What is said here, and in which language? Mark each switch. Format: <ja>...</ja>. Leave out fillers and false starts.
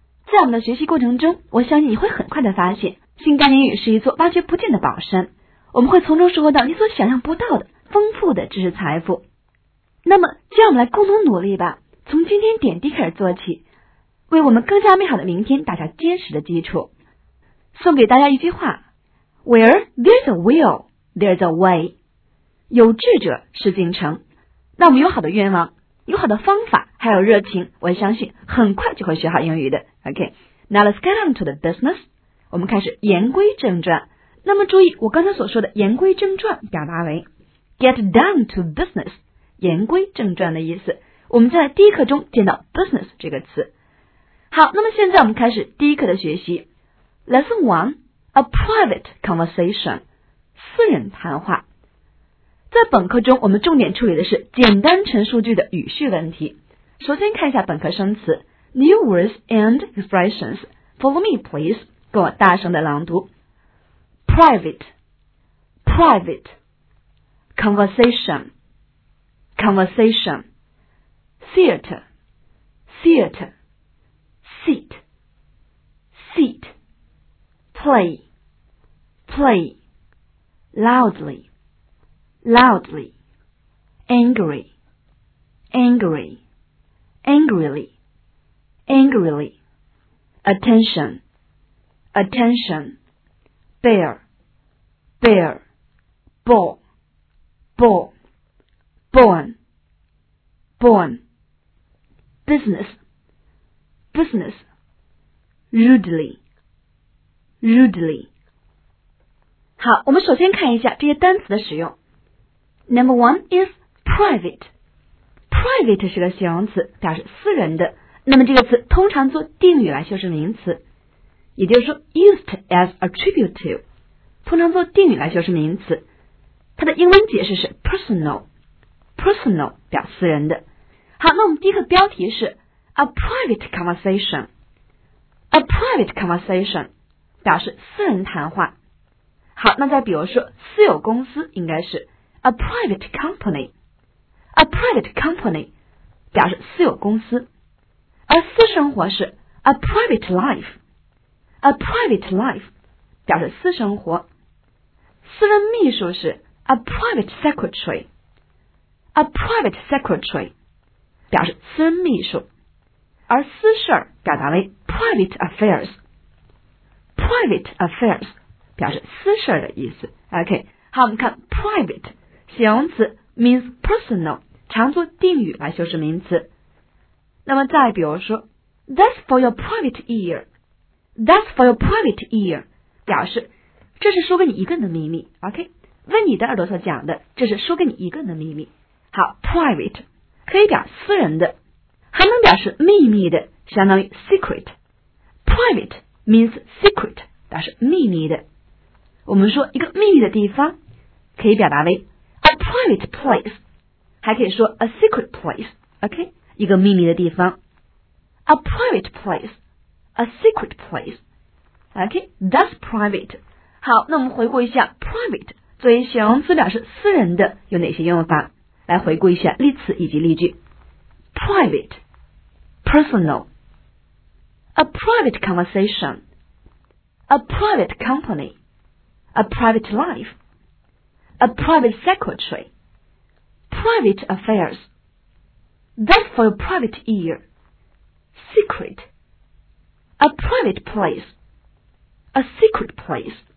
<zh>在我们的学习过程中，我相信你会很快的发现，新概念英语是一座挖掘不尽的宝山，我们会从中收获到你所想象不到的丰富的知识财富。那么，就让我们来共同努力吧，从今天点滴开始做起，为我们更加美好的明天打下坚实的基础。送给大家一句话，</zh> <en>Where there's a will, there's a way。</en> <zh>有志者事竟成，那我们有好的愿望，有好的方法，还有热情，我相信很快就会学好英语的。</zh> <en>OK, now let's get on to the business。</en> <zh>我们开始言归正传。那么注意我刚才所说的言归正传表达为</zh> <en>get down to business,</en> <zh>言归正传的意思。我们在第一课中见到 business 这个词。好，那么现在我们开始第一课的学习。</zh> <en>Lesson 1, A Private Conversation,</en> <zh>私人谈话。在本课中我们重点处理的是简单陈述句的语序问题。首先看一下本课生词</zh> <en>New Words and Expressions, Follow me please,</en> <zh>跟我大声的朗读。</zh> <en>Private, Private, Conversation, Conversation, Theater, Theater, Seat, Seat,Play, play, loudly, loudly, angry, angry, angrily, angrily, attention, attention, bear, bear, ball, ball, born, born, business, business, rudely,Rudely.</en> <zh>好，我们首先看一下这些单词的使用。</zh> <en>Number one is private.</en> <zh>Private 是个形容词，表示私人的。那么这个词通常做定语来修饰名词，也就是说</zh> <en>used as a tribute to,</en> <zh>通常做定语来修饰名词。它的英文解释是 personal. Personal 表私人的。好，那我们第一个标题是</zh> <en>A private conversation. A private conversation.</en> <zh>表示私人谈话。好，那再比如说私有公司应该是</zh> <en>a private company, a private company</en> <zh>表示私有公司。而私生活是</zh> <en>a private life, a private life</en> <zh>表示私生活。私人秘书是</zh> <en>a private secretary, a private secretary</en> <zh>表示私人秘书。而私事表达为</zh> <en>private affairsprivate affairs,</en> <zh>表示私事的意思。 OK, 好，我们看 private, 形容词</zh> <en>means personal,</en> <zh>常做定语来修饰名词。那么再比如说</zh> <en>that's for your private ear,</en> <zh>that's for your private ear, 表示这是说给你一个人的秘密。 OK, 为你的耳朵所讲的，这是说给你一个人的秘密。好， private, 可以表私人的，还能表示秘密的，相当于 secret,</zh> <en>private,means secret,</en> <zh>但是秘密的。我们说一个秘密的地方可以表达为</zh> <en>a private place,</en> <zh>还可以说</zh> <en>a secret place,</en> <zh>OK, 一个秘密的地方。</zh> <en>a private place, a secret place, OK, that's private.</en> <zh>好，那我们回顾一下 private, 作为形容词表示私人的有哪些用法，来回顾一下例词以及例句。</zh> <en>private, personal,A private conversation, a private company, a private life, a private secretary, private affairs, that's for your private ear, secret, a private place, a secret place.</en>